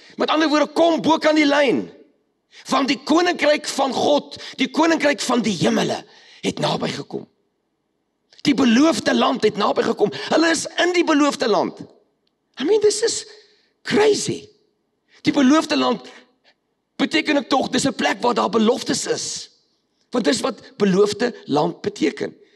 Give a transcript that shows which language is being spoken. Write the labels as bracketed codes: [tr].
[af] Met andere woorde, kom boek aan die lijn. Van die koninkryk van God, die koninkryk van die hemele, het naby gekom. Die beloofde land het naby gekom. Hulle is in die beloofde land. [en] I mean, this is crazy. [af] Die beloofde land beteken ook toch, dis een plek waar daar beloftes is. Want dis wat beloofde land beteken.